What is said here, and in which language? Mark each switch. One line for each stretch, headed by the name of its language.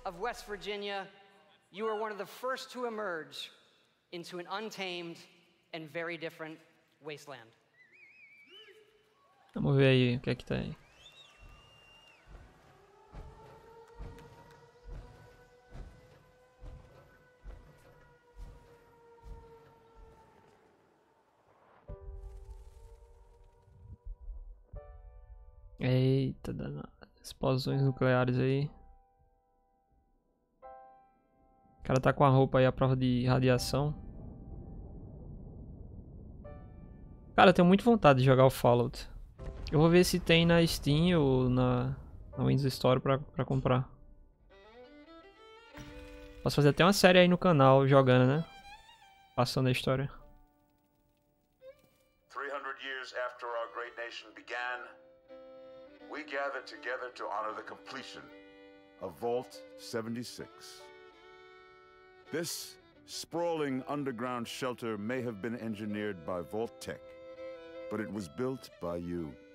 English: Of West Virginia, you were one of the first to emerge into an untamed and very different wasteland.
Portuguese: Vamos ver aí o que é que tá aí. Eita, danada. Explosões nucleares aí. O cara tá com a roupa aí à prova de radiação. Cara, eu tenho muita vontade de jogar o Fallout. Eu vou ver se tem na Steam ou na Windows Store pra comprar. Posso fazer até uma série aí no canal, jogando, né? Passando a história.
English: 300 years after our great nation began, we gather together to honor the completion of Vault 76. This sprawling underground shelter may have been engineered by Vault Tech, but it was built by you.